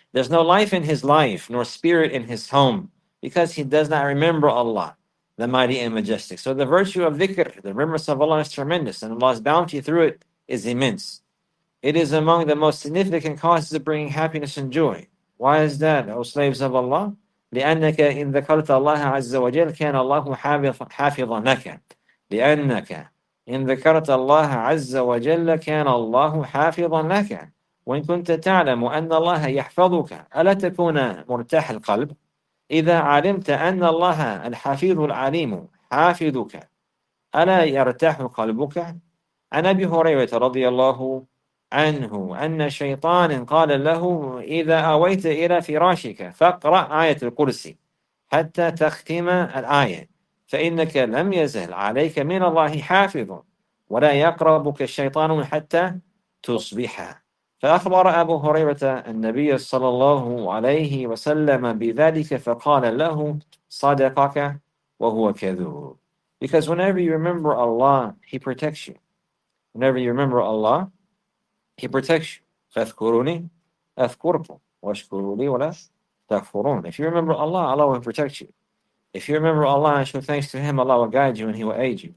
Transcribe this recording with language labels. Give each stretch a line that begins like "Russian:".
English: There's no life in his life, nor spirit in his home, because he does not remember Allah, the mighty and majestic. So the virtue of dhikr, the remembrance of Allah, is tremendous, and Allah's bounty through it is immense. It is among the most significant causes of bringing happiness and joy. Why is that, O slaves of Allah?
Arabic: لِأَنَّكَ إِن ذَكَرْتَ اللَّهَ عَزَّ وَجَلَّ كَانَ اللَّهُ حَافِظًا لَكَ لِأَنَّكَ إِن ذَكَرْتَ اللَّهَ عَزَّ وَجَلَّ كَانَ اللَّهُ حَافِظًا لَكَ وَإِن كُنْتَ تَعْلَمُ أَنَّ اللَّهَ يَحْفَظُكَ أَلَا تَكُونَ مُرْتَاحَ الْقَلْبِ إِذَا عَلِمْتَ أَنَّ اللَّهَ الْحَفِيظُ الْعَلِيمُ حَافِظُكَ أَلَا يَرْتَاحُ قَلْبُكَ عَنْ أَبِي هُرَيْرَةَ رَضِيَ اللَّهُ عنه أن شيطان قال له إذا أويت إلى فراشك فاقرأ آية الكرسي حتى تختم الآية فإنك لم يزل عليك من الله حافظ ولا يقربك الشيطان حتى تصبح. فأخبر أبو هريرة النبي صلى الله عليه وسلم بذلك فقال له صدقك وهو كذوب.
English: Because whenever you remember Allah, He protects you. Whenever you remember Allah, He protects you.
Arabic: فَاذْكُرُونِي أَذْكُرْكُمْ وَاشْكُرُوا لِي وَلَا تَكْفُرُونَ.
English: If you remember Allah, Allah will protect you. If you remember Allah and show thanks to Him, Allah will guide you and He will aid you.